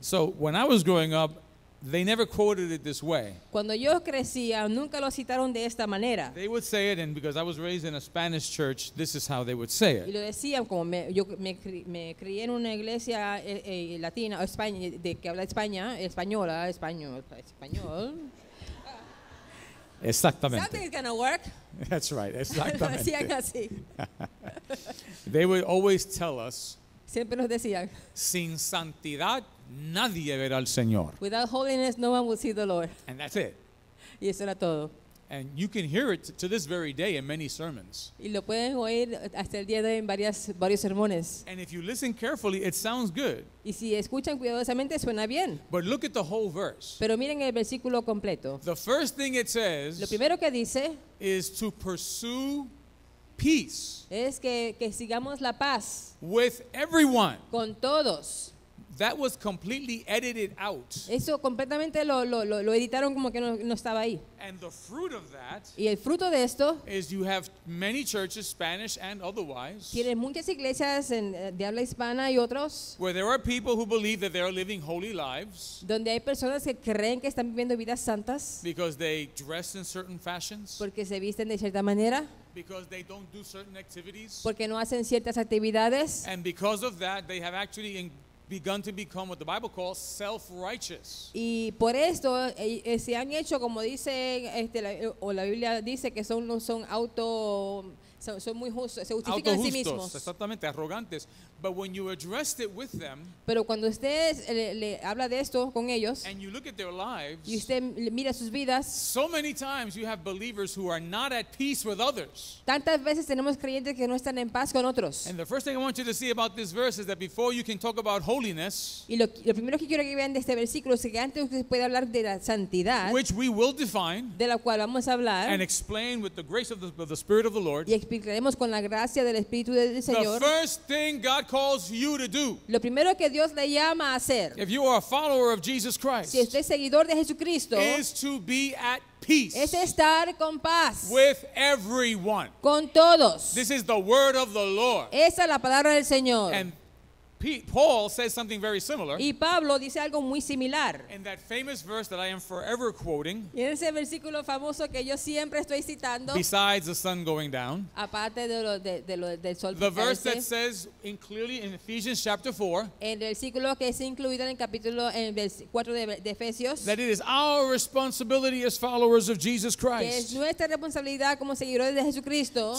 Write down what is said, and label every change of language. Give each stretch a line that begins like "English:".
English: So when I was growing up, they never quoted it this way.
Spanish: Cuando yo crecía, nunca lo citaron de esta manera.
English: They would say it, and because I was raised in a Spanish church, this is how they would say it.
Spanish: Y lo decían como yo me crié en una iglesia latina o España de que habla España, española, español. Exactamente.
English: Something is gonna work. That's right.
Spanish: Exactamente. Lo decían así.
English: They would always tell us.
Spanish: Siempre nos decían. Sin santidad. Nadie verá al Señor.
English: Without holiness, no one will see the Lord. And that's it.
Spanish: Y eso era todo.
English: And you can hear it to this very day in many sermons.
Spanish: Y lo pueden oír hasta el día de hoy en varios sermones.
English: And if you listen carefully, it sounds good.
Spanish: Y si escuchan cuidadosamente, suena bien.
English: But look at the whole verse.
Spanish: Pero miren el versículo completo.
English: The first thing it says.
Spanish: Lo primero que dice.
English: Is to pursue peace.
Spanish: Es que sigamos la paz.
English: With everyone.
Spanish: Con todos.
English: That was completely edited out.
Spanish: Eso completamente lo editaron como que no estaba ahí.
English: And the fruit of that.
Spanish: Y el fruto de esto.
English: Is you have many churches, Spanish and otherwise.
Spanish: Tienen muchas iglesias de habla hispana y otros.
English: Where there are people who believe that they are living holy lives.
Spanish: Donde hay personas que creen que están viviendo vidas santas.
English: Because they dress in certain fashions.
Spanish: Porque se visten de cierta manera.
English: Because they don't do certain activities.
Spanish: Porque no hacen ciertas actividades.
English: And because of that, they have actually begun to become what the Bible calls self-righteous.
Spanish: Y por esto se han hecho como dice o la Biblia dice que son muy justos, se justifican autojustos, a sí mismos. Exactamente, arrogantes.
English: But when you addressed it with them,
Spanish: pero cuando usted le habla de esto con ellos,
English: and you look at their lives,
Spanish: y usted mira sus vidas,
English: so many times you have believers who are not at peace with others.
Spanish: Tantas veces tenemos creyentes que no están en paz con otros.
English: And the first thing I want you to see about this verse is that before you can talk about holiness,
Spanish: y lo primero que quiero que vean de este versículo es que antes usted puede hablar de la santidad,
English: which we will define,
Spanish: de la cual vamos a hablar,
English: and explain with the grace of the Spirit of the Lord,
Spanish: y explicaremos con la gracia del Espíritu del Señor.
English: The first thing God calls you to do.
Spanish: Lo primero que Dios le llama a hacer.
English: If you are a follower of Jesus Christ.
Spanish: Si usted es seguidor de Jesucristo.
English: Is to be at peace.
Spanish: Es estar con paz.
English: With everyone.
Spanish: Con todos.
English: This is the word of the Lord.
Spanish: Esa es la palabra del Señor.
English: And Paul says something very similar.
Spanish: Y Pablo dice algo muy similar.
English: In that famous verse that I am forever quoting.
Spanish: Y en ese versículo famoso que yo siempre estoy citando.
English: Besides the sun going down.
Spanish: Aparte de lo de lo del sol.
English: The verse that says in clearly in Ephesians chapter 4.
Spanish: En el versículo que es incluido en el capítulo en el 4 de Efesios.
English: That it is our responsibility as followers of Jesus Christ.
Spanish: Que es nuestra responsabilidad como seguidores de Jesucristo.